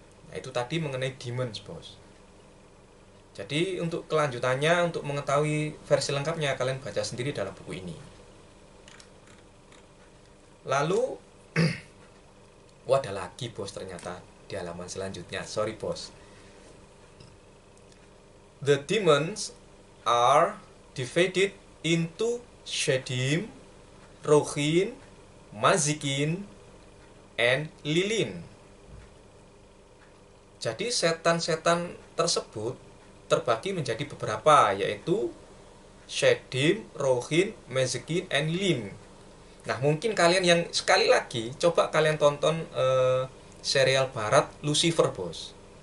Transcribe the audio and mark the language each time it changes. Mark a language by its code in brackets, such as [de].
[id] Nah, itu tadi mengenai demons, bos. Jadi untuk kelanjutannya, untuk mengetahui versi lengkapnya, kalian baca sendiri dalam buku ini. Lalu ada lagi, bos, ternyata di halaman selanjutnya. Sorry, bos. [en] The demons are divided into Shadim, Rohin, Mazikin, and Lilin. [id] Jadi setan-setan tersebut terbagi menjadi beberapa, yaitu Shadim, Rohin, Mazikin, and Lilin. Nah, mungkin kalian yang sekali lagi coba kalian tonton serial barat Lucifer, bos.